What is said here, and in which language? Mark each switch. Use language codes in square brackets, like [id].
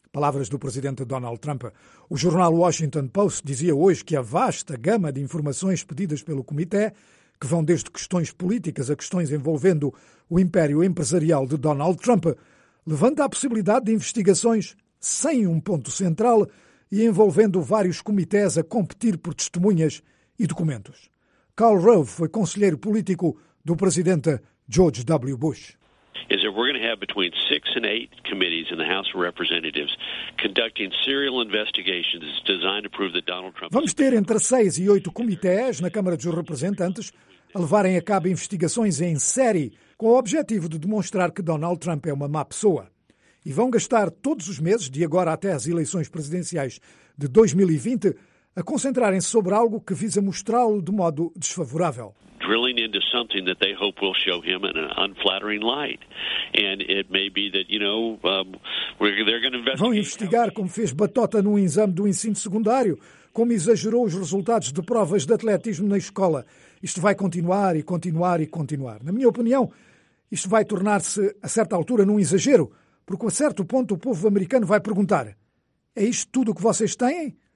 [pt] Palavras do presidente Donald Trump. O jornal Washington Post dizia hoje que a vasta gama de informações pedidas pelo Comitê, que vão desde questões políticas a questões envolvendo o império empresarial de Donald Trump, levanta a possibilidade de investigações sem um ponto central e envolvendo vários comitês a competir por testemunhas e documentos. Karl Rove foi conselheiro político do presidente George W. Bush. [en] Is that we're going to have between 6 and 8 committees in the House of Representatives conducting serial investigations designed to prove that Donald Trump. [pt] Vamos ter entre 6 e 8 comitês na Câmara dos Representantes a levarem a cabo investigações em série com o objetivo de demonstrar que Donald Trump é uma má pessoa. E vão gastar todos os meses, de agora até às eleições presidenciais de 2020, a concentrarem-se sobre algo que visa mostrá-lo de modo desfavorável. [en] Drilling into something that they hope will show him in an unflattering light. And it may be that, you know, they're going to investigate. [pt] Vão investigar como fez batota num exame do ensino secundário, como exagerou os resultados de provas de atletismo na escola. Isto vai continuar e continuar e continuar. Na minha opinião, isto vai tornar-se, a certa altura, num exagero, porque a certo ponto o povo americano vai perguntar: é isto tudo o que vocês têm?